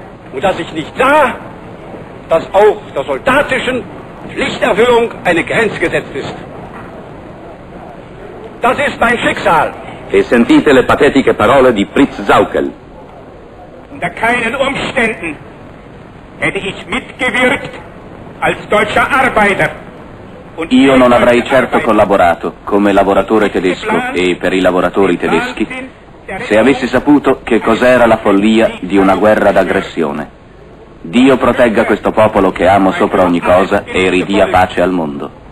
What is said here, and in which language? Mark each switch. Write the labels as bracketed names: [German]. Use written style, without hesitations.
[German] Und dass ich nicht sah, dass auch der soldatischen Pflichterfüllung eine Grenze gesetzt ist. Das ist mein Schicksal. [Italian] E sentite le patetiche parole di Fritz Sauckel. [German] Unter keinen Umständen hätte ich mitgewirkt als deutscher Arbeiter. [Italian] Io non avrei certo collaborato come lavoratore tedesco e per i lavoratori tedeschi se avessi saputo che cos'era la follia di una guerra d'aggressione. Dio protegga questo popolo che amo sopra ogni cosa e ridia pace al mondo.